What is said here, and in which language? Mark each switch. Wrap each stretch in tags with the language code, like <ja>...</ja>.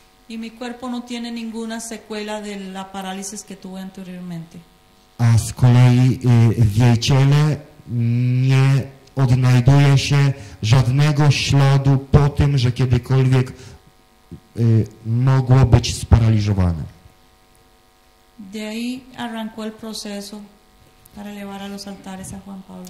<es>Y mi cuerpo no tiene ninguna secuela de la parálisis que tuve anteriormente.</es> <pl>A z kolei w jej ciele nie odnajduje się żadnego śladu po tym, że kiedykolwiek mogło być sparaliżowane.</pl> <es>De ahí arrancó el proceso para elevar a los altares a Juan Pablo.</es>